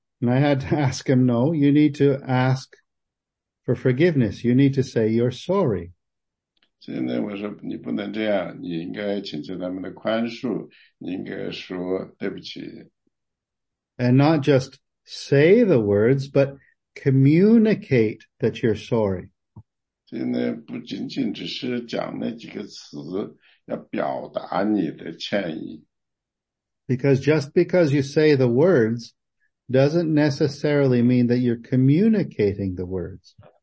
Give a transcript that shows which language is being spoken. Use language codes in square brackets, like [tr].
[en] And I had to ask him, no, you need to ask for forgiveness. You need to say you're sorry. [zh] 现在我说你不能这样，你应该请求他们的宽恕，你应该说对不起。 [en] And not just say the words, but communicate that you're sorry. [zh] 现在不仅仅只是讲那几个词，要表达你的歉意。 [en] Because just because you say the words doesn't necessarily mean that you're communicating the words.